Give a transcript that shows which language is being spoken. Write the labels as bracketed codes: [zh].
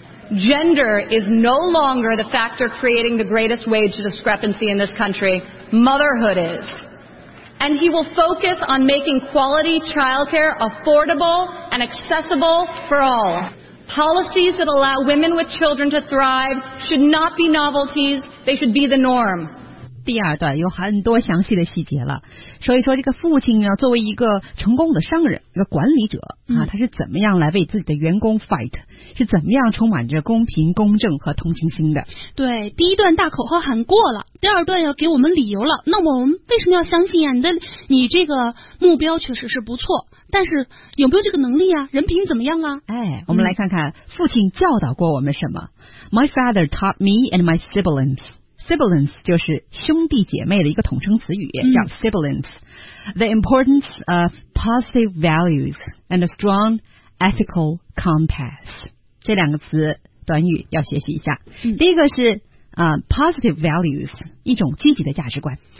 [en] Gender is no longer the factor creating the greatest wage discrepancy in this country. Motherhood is. And he will focus on making quality childcare affordable and accessible for all. Policies that allow women with children to thrive should not be novelties. They should be the norm. [zh] 第二段有很多详细的细节了，所以说这个父亲呢，作为一个成功的商人，一个管理者啊，他是怎么样来为自己的员工 fight， 是怎么样充满着公平、公正和同情心的？对，第一段大口号喊过了，第二段要给我们理由了。那么我们为什么要相信啊？你这个目标确实是不错，但是有没有这个能力啊？人品怎么样啊？哎，我们来看看父亲教导过我们什么。 [en] My father taught me and my siblings. [zh] Siblings 就是兄弟姐妹的一个统称词语，叫 siblings. [en] The importance of positive values and a strong ethical compass. [zh] 这两个词短语要学习一下。第一个是positive values， 一种积极的价值观。